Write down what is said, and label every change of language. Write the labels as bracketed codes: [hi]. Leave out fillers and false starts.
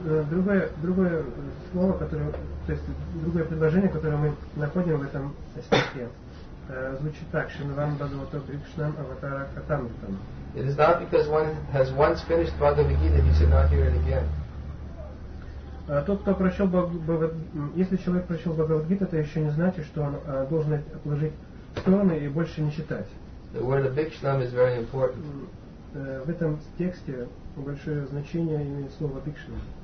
[ru] Другое слово, которое, то есть другое предложение, которое мы находим в этом стихе, звучит так: [sa] Шринван Бхагавато Брикшнам Аватара Катамритам. [en] It is not because one has once finished Bhagavad Gita, he should not hear it again. [ru] Тот, кто прочел если человек прочел Бхагавад Гиту, это еще не значит, что он должен отложить в сторону и больше не читать. [en] The word Bhikshnam is very important. [ru] В этом тексте большое значение имеет слово Бхикшнам.